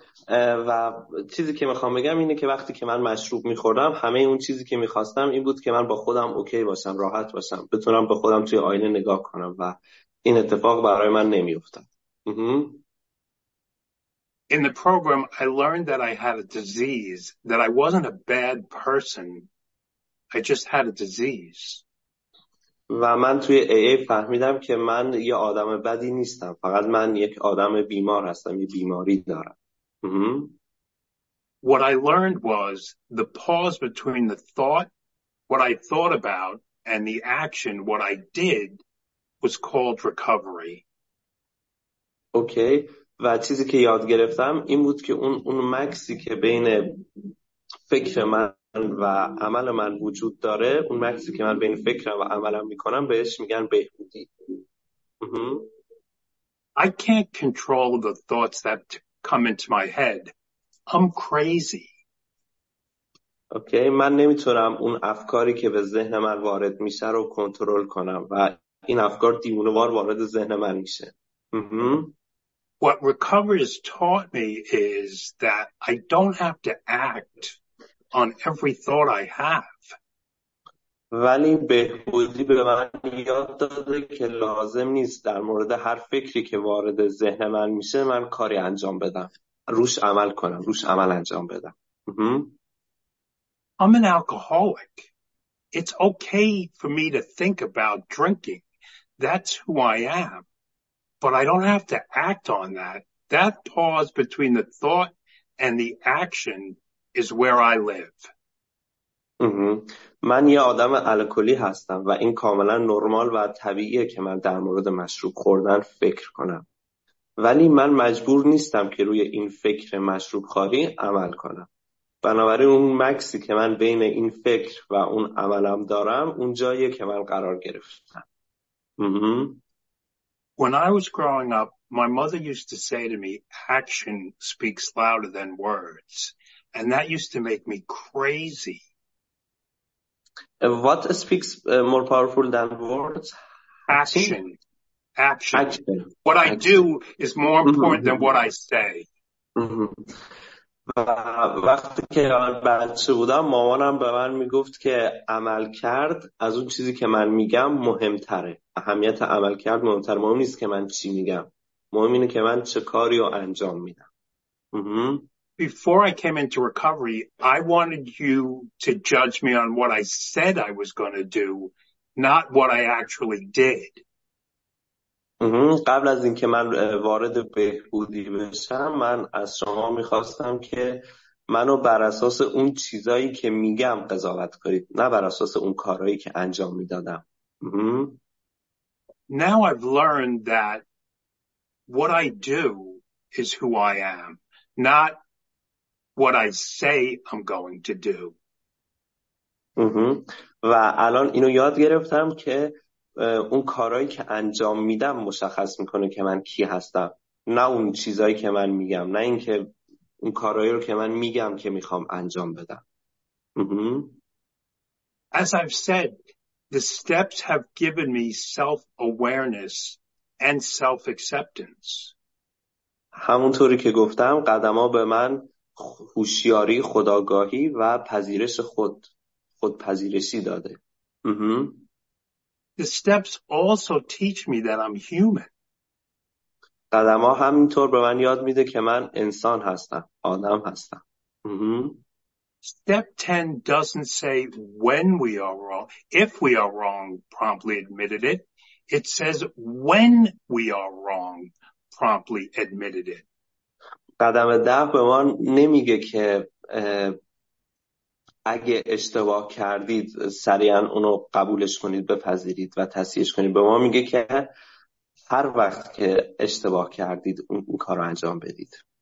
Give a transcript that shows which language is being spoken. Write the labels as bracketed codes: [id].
[fa] و چیزی که میخوام بگم اینه که وقتی که من مشروب میخوردم همه اون چیزی که میخواستم این بود که من با خودم اوکی باشم، راحت باشم، بتونم به خودم توی آینه نگاه کنم و این اتفاق برای من نمیافتاد. [en] In the program I learned that I had a disease, that I wasn't a bad person, I just had a disease. [fa] و من توی AA فهمیدم که من یه آدم بدی نیستم، فقط من یک آدم بیمار هستم، یه بیماری دارم. [en] What I learned was the pause between the thought, what I thought about, and the action, what I did, was called recovery. Okay. [fa] و چیزی که یاد گرفتم این بود که اون مکسی که بین فکر من و عمل من وجود داره، اون مکسی که من بین فکرم و عملم میکنم بهش میگن بهبودی. [en] I can't control the thoughts that come into my head. I'm crazy. Okay okay. [fa] من نمیتونم اون افکاری که به ذهن من وارد میشه رو کنترل کنم و این افکار دیوونه وار وارد ذهن من میشه. [en] What recovery has taught me is that I don't have to act on every thought I have. [fa] ولی بهبودی به من یاد داده که لازم نیست در مورد هر فکری که وارد ذهن من میشه من کاری انجام بدم. روش عمل کنم، روش عمل انجام بدم. [en] I'm an alcoholic. It's okay for me to think about drinking. That's who I am. But I don't have to act on that. That pause between the thought and the action is where I live. [fa] من یه آدم الکلی هستم و این کاملا نرمال و طبیعیه که من در مورد مشروب خوردن فکر کنم. ولی من مجبور نیستم که روی این فکر مشروب خواری عمل کنم. بنابراین اون مکسی که من بین این فکر و اون عملم دارم اون جاییه که من قرار گرفتم. [en] When I was growing up, my mother used to say to me, action speaks louder than words. And that used to make me crazy. What speaks more powerful than words? Action. What I do is more important than what I say. [fa] و وقتی که من بچه بودم مامانم به من میگفت که عمل کرد از اون چیزی که من میگم مهمتره. اهمیت عمل کرد مهمتر. مهم نیست که من چی میگم. مهم اینه که من چه کاری رو انجام میدم. [en] Before I came into recovery, I wanted you to judge me on what I said I was going to do, not what I actually did. [fa] قبل از اینکه من وارد بهبودی بشم من از شما میخواستم که منو بر اساس اون چیزایی که میگم قضاوت کنید نه بر اساس اون کارهایی که انجام میدادم. [en] Now I've learned that what I do is who I am, not what I say I'm going to do. [fa] و الان اینو یاد گرفتم که اون کارهایی که انجام میدم مشخص میکنه که من کی هستم، نه اون چیزایی که من میگم، نه اینکه اون کارهایی رو که من میگم که میخوام انجام بدم. [en] As I've said, the steps have given me self-awareness and self-acceptance. [fa] همونطوری که گفتم قدم‌ها به من هوشیاری، خودآگاهی و پذیرش خود، خودپذیرشی داده. [en] The steps also teach me that I'm human. [fa] قدم‌ها همینطور به من یاد میده که من انسان هستم، آدم هستم. [en] Step 10 doesn't say when we are wrong. If we are wrong, promptly admitted it. It says when we are wrong, promptly admitted it. [fa] قدم 10 به من نمیگه که اگه اشتباه کردید سریعا اونو قبولش کنید، بپذیرید و تصحیحش کنید. به ما میگه که هر وقت که اشتباه کردید اون کارو انجام بدید.